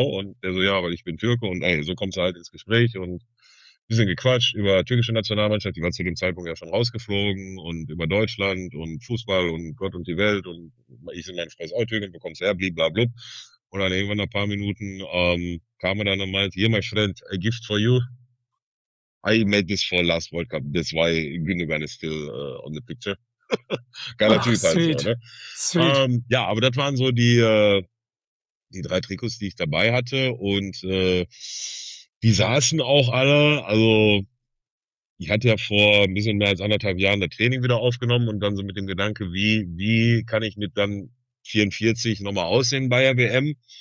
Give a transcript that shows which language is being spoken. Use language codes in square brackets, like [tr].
[de] Und der so, ja, weil ich bin Türke und ey, so kommst du halt ins Gespräch und bisschen gequatscht über türkische Nationalmannschaft, die war zu dem Zeitpunkt ja schon rausgeflogen und über Deutschland und Fußball und Gott und die Welt und ich bin mein Freund auch Türken, bekommst her, blablabla. Und dann irgendwann nach ein paar Minuten kam er dann und meinte, hier, [en] my friend, a gift for you. I made this for last World Cup. That's why Gündogan is still on the picture. [de] Geiler Typ. [en] Sweet. [de] Also, ne? [en] Sweet. [de] Ja, aber das waren so die drei Trikots, die ich dabei hatte und die saßen auch alle, also ich hatte ja vor ein bisschen mehr als anderthalb Jahren das Training wieder aufgenommen und dann so mit dem Gedanke, wie kann ich mit dann 44 nochmal aussehen bei der WM